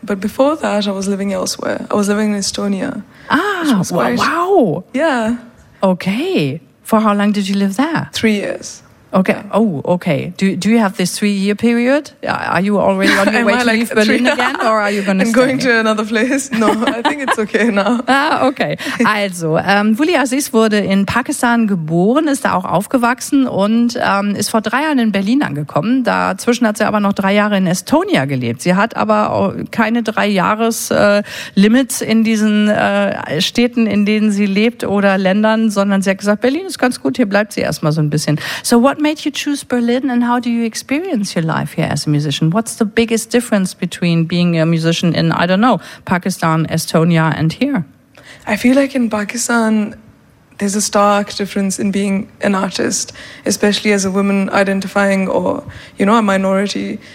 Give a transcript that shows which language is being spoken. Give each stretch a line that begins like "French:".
English: But before that, I was living elsewhere. I was living in Estonia. Wow. Yeah. Okay. For how long did you live there? 3 years. Okay. Yeah. Oh, okay. Do you have this 3 year period? Are you already on your way to leave Berlin again, or are you going to stay? I'm going to another place. No, I think it's okay now. Ah, okay.
German: Also, Wuli Aziz wurde in Pakistan geboren, ist da auch aufgewachsen und ist vor 3 Jahren in Berlin angekommen. Dazwischen hat sie aber noch 3 Jahre in Estonia gelebt. Sie hat aber keine 3-Jahres-Limits in diesen Städten, in denen sie lebt oder Ländern, sondern sie hat gesagt, Berlin ist ganz gut, hier bleibt sie erstmal so ein bisschen.
English: So what made you choose Berlin and how do you experience your life here as a musician? What's the biggest difference between being a musician in, I don't know, Pakistan, Estonia and here? I feel like in Pakistan there's a stark difference in being an artist, especially as a woman identifying or, you know, a minority.